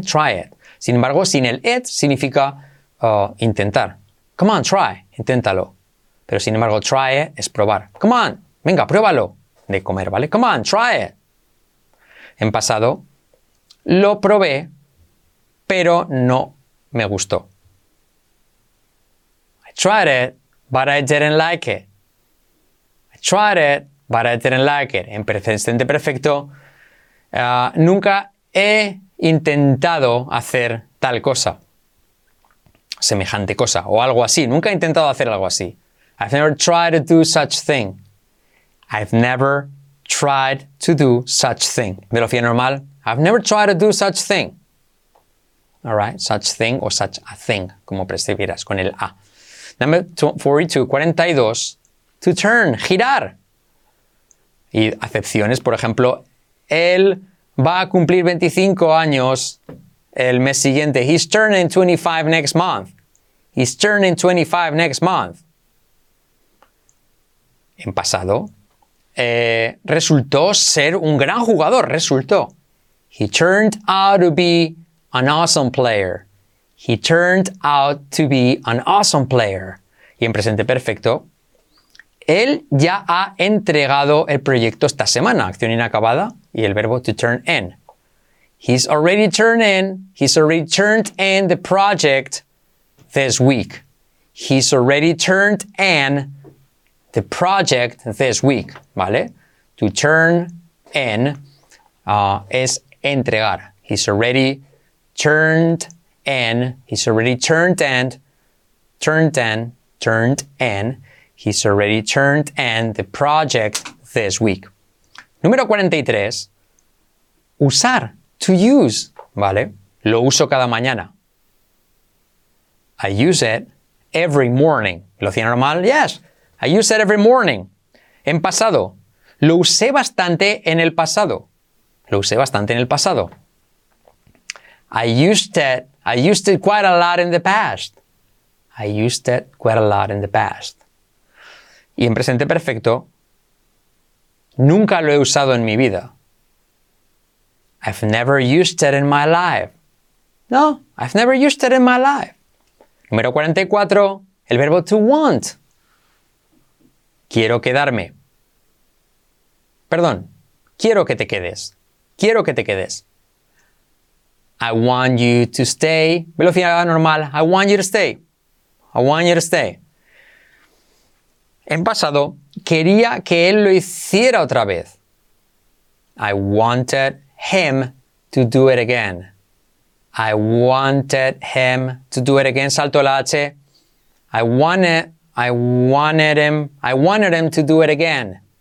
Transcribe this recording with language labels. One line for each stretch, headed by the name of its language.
English: Try it.
Spanish: Sin embargo, sin el it, significa intentar.
English: Come on, try.
Spanish: Inténtalo. Pero sin embargo, try it es probar. Come on, venga, pruébalo de comer, ¿vale?
English: Come on, try it.
Spanish: En pasado, Lo probé, pero no me gustó.
English: I tried it, but I didn't like it. I tried it, but I didn't like it.
Spanish: En presente perfecto. Nunca he intentado hacer tal cosa. Semejante cosa o algo así. Nunca he intentado hacer algo así.
English: I've never tried to do such thing. I've never tried to do such thing.
Spanish: Velocidad normal.
English: I've never tried to do such thing. All right. Such thing o such a thing.
Spanish: Como percibirás con el A.
English: Number 42. To turn.
Spanish: Girar. Y acepciones. Por ejemplo, él va a cumplir 25 años el mes siguiente.
English: He's turning 25 next month. He's turning 25 next month.
Spanish: En pasado, resultó ser un gran jugador. Resultó.
English: He turned out to be an awesome player. He turned out to be an awesome player.
Spanish: Y en presente perfecto, él ya ha entregado el proyecto esta semana. Acción inacabada y el verbo to turn in.
English: He's already turned in. He's already turned in the project this week. He's already turned in the project this week.
Spanish: ¿Vale? To turn in es entregar.
English: He's already turned in. He's already turned in. Turned in. Turned in. He's already turned in the project this week.
Spanish: Número 43. Usar. To use. ¿Vale? Lo uso cada mañana.
English: I use it every morning.
Spanish: ¿Velocidad normal? Yes.
English: I use it every morning.
Spanish: En pasado. Lo usé bastante en el pasado. Lo usé bastante en el pasado.
English: I used it quite a lot in the past. I used it quite a lot in the past.
Spanish: Y en presente perfecto. Nunca lo he usado en mi vida.
English: I've never used it in my life. No, I've never used it in my life.
Spanish: Número 44, el verbo to want. Quiero quedarme. Perdón, quiero que te quedes. Quiero que te quedes.
English: I want you to stay.
Spanish: Velocidad normal.
English: I want you to stay. I want you to stay.
Spanish: En pasado, quería que él lo hiciera otra vez.
English: I wanted him to do it again. I wanted him to do it again.
Spanish: Salto la H.
English: I wanted him to do it again.